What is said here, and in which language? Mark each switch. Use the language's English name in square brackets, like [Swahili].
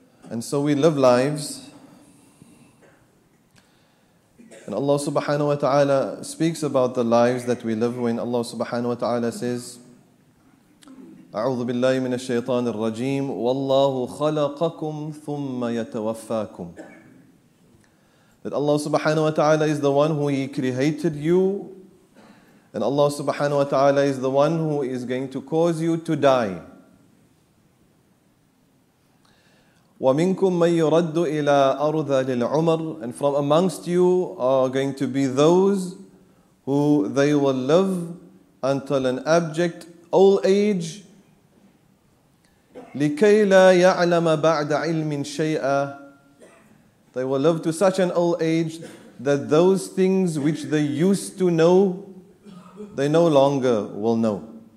[English] And so we live lives, and Allah subhanahu wa ta'ala speaks about the lives that we live when Allah subhanahu wa ta'ala says, [Arabic] أعوذ بالله من الشيطان الرجيم والله خلقكم ثم يتوفاكم. [English] That Allah subhanahu wa ta'ala is the one who He created you, and Allah subhanahu wa ta'ala is the one who is going to cause you to die. [Arabic] ومنكم من يرد إلى أرذل العمر. [English] And from amongst you are going to be those who they will live until an abject old age. [Arabic] لِكَيْ لَا يَعْلَمَ بَعْدَ عِلْمٍ شَيْئًا. [English] They will live to such an old age that those things which they used to know, they no longer will know.